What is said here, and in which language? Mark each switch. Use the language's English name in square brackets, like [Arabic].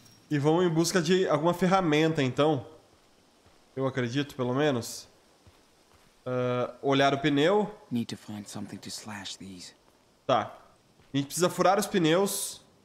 [Portuguese] E vamos em busca de alguma ferramenta, então. Eu acredito, pelo menos. Olhar o pneu. [English] Need to find something to slash these. [Portuguese] Tá. A gente precisa furar os pneus.